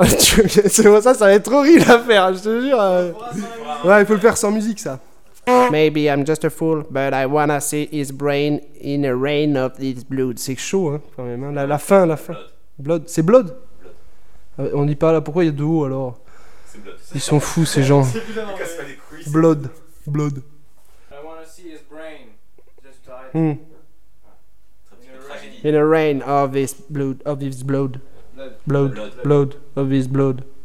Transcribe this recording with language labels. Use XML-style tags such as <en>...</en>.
<fr>C'est moi, ça, ça va être horrible à faire, je te jure. Ouais, il faut le faire sans musique, ça.</fr> <en>Maybe I'm just a fool, but I wanna see his brain in a rain of his blood.</en> <fr>C'est chaud, hein, quand même. Hein. La fin.</fr> <en>Blood. C'est blood, blood.</en> <fr>On dit pas là, pourquoi il y a deux O alors? Ils sont fous ces gens.</fr> <en>Blood, blood. I wanna see his brain. In a rain of his blood, of his blood. Blood, blood, of his blood.</en>